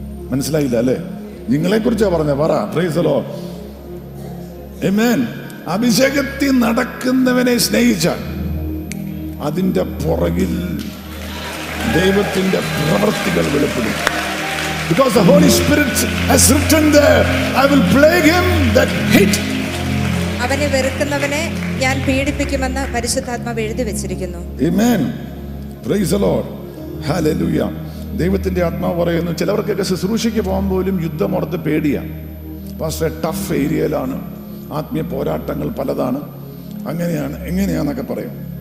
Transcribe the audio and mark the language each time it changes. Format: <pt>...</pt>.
<ml>മനസ്സിലായില്ല അല്ലേ? നിങ്ങളെ കുറിച്ചാ പറഞ്ഞ പറ.</ml> <en>praise the lord,</en> <ml>ആമേൻ. അഭിഷേകത്തിൽ നടക്കുന്നവനെ സ്നേഹിച്ച അതിന്റെ പുറകിൽ ദൈവത്തിന്റെ പ്രവൃത്തികൾ വെളിപ്പെടും.</ml> <en>Because the Holy Spirit has written there, I will plague him that hate.</en> <ml>അവനെ വെറുക്കുന്നവനെ ഞാൻ പീഡിപ്പിക്കുമെന്ന് പരിശുദ്ധാത്മാവ് എഴുതി വെച്ചിരിക്കുന്നു. ആമേൻ.</ml> <en>praise the lord,</en> <ml>hallelujah. ദൈവത്തിന്റെ ആത്മാവ് പറയുന്നു, ചിലവർക്കൊക്കെ ശുശ്രൂഷയ്ക്ക് പോകാൻ പോലും യുദ്ധമോർത്ത് പേടിയാ. പാസ്റ്റർ, ടഫ് ഏരിയയിലാണ്, ആത്മീയ പോരാട്ടങ്ങൾ പലതാണ്, അങ്ങനെയാണ് എങ്ങനെയാന്നൊക്കെ പറയും.</ml>